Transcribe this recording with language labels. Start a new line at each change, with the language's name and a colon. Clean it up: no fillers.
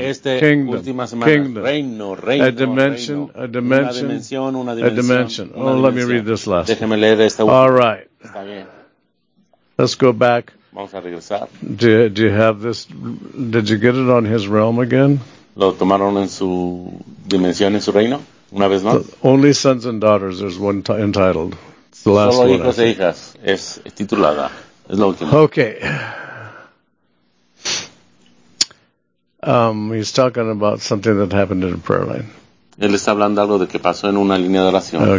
Spanish: Este
English: kingdom.
Spanish: Última semana.
English: Kingdom.
Spanish: Reino, reino,
English: a dimension,
Spanish: reino.
English: A dimension.
Spanish: Una dimensión, una dimensión.
English: A dimension.
Spanish: Una dimensión.
English: Oh, let me read this last.
Spanish: Déjeme leer esta
English: última. All right.
Spanish: Está bien.
English: Let's go back.
Spanish: Vamos a regresar.
English: Do you have this? Did you get it on his realm again?
Spanish: ¿Lo tomaron en su dimensión, en su reino? ¿Una vez más?
English: Only sons and daughters, there's one entitled. It's the last
Spanish: solo
English: one
Spanish: hijos e hijas. Es titulada. Es la última.
English: Okay. He's talking about something that happened in a prayer line.
Spanish: Él está hablando algo de que pasó en una línea de oración.